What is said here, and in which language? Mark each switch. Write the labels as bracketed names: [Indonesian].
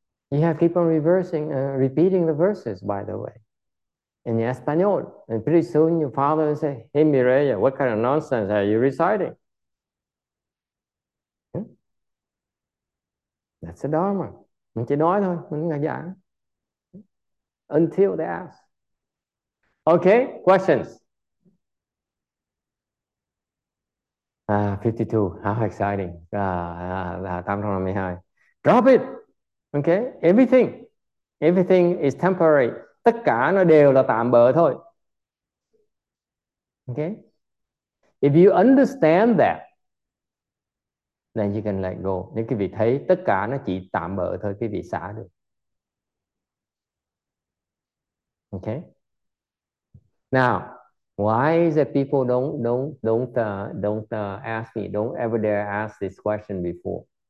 [English] You have to keep on repeating the verses, by the way, in Espanol. And pretty soon your father will say, hey, Mireya, what kind of nonsense are you reciting? That's the Dharma. [Vietnamese] Mình chỉ nói thôi, mình ngại giảng. [English] Until they ask. Okay, questions. 52. How exciting. 852. Drop it. Okay, everything is temporary. [Vietnamese] Tất cả nó đều là tạm bợ thôi. [English] Okay, if you understand that, then you can let go. [Vietnamese] Nếu quý vị thấy tất cả nó chỉ tạm bợ thôi, quý vị xả được. [English] Okay. Now, why is it people don't ask me, don't ever dare ask this question before?